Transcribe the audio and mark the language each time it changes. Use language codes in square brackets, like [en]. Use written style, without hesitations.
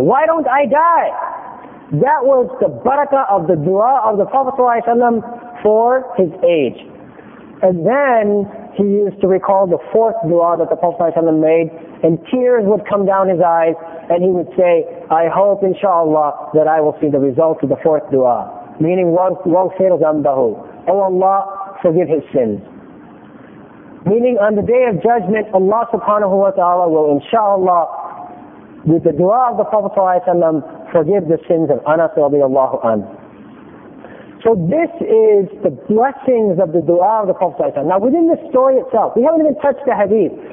[en] Why don't I die? That was the barakah of the dua of the Prophet ﷺ for his age. And then he used to recall the fourth dua that the Prophet ﷺ made, and tears would come down his eyes, and he would say, I hope, inshallah, that I will see the result of the fourth dua. [ar] Meaning, وَغْفِرْ ذَنْبَهُ. [en] O Allah, forgive his sins. Meaning, on the day of judgment, Allah subhanahu wa ta'ala will, inshallah, with the dua of the Prophet ﷺ, forgive the sins of Anas radiallahu anhu. So this is the blessings of the dua of the Prophet ﷺ. Now within this story itself, we haven't even touched the hadith.